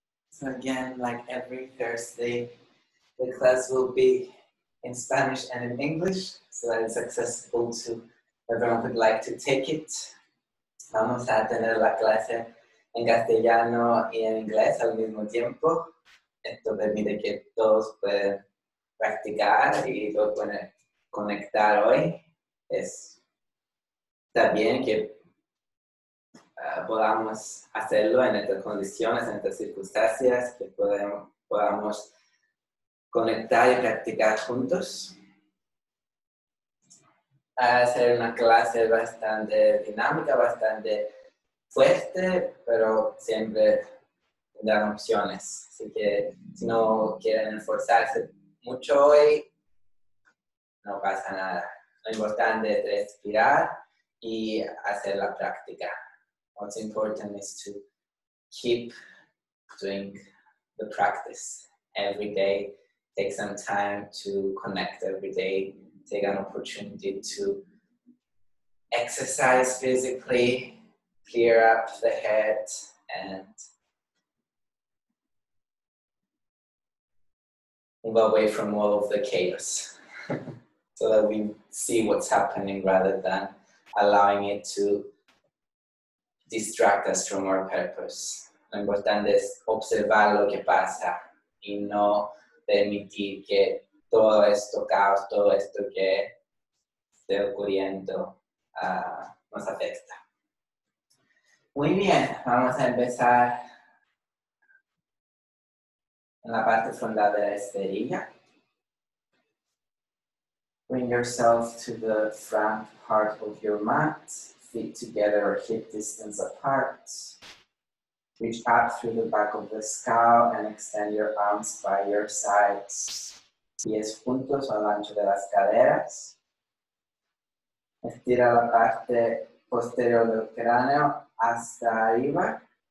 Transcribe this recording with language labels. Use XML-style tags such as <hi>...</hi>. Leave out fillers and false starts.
<en>So again, like every Thursday, the class will be in Spanish and in English, so that it's accessible to everyone who'd like to take it.</en> <es>Vamos a tener la clase en castellano y en inglés al mismo tiempo. Esto permite que todos puedan practicar y todos puedan conectar hoy. Está bien que podamos hacerlo en estas condiciones, en estas circunstancias, que podamos conectar y practicar juntos. Va a ser una clase bastante dinámica, bastante fuerte, pero siempre dan opciones. Así que si no quieren esforzarse mucho hoy, no pasa nada. Lo importante es respirar y hacer la práctica.</es> <en>What's important is to keep doing the practice every day. Take some time to connect every day. Take an opportunity to exercise physically, clear up the head, and move away from all of the chaos so that we see what's happening rather than allowing it to distract us from our purpose.</en> <es>Lo importante es observar lo que pasa y no permitir que todo esto caos, todo esto que esté ocurriendo nos afecta. Muy bien, vamos a empezar en la parte frontal de la esterilla.</es> <en>Bring yourself to the front part of your mat. Feet together or hip distance apart. Reach up through the back of the skull and extend your arms by your sides.</en> <es>Pies juntos al ancho de las caderas. Estira la parte posterior del cráneo hasta arriba.</es>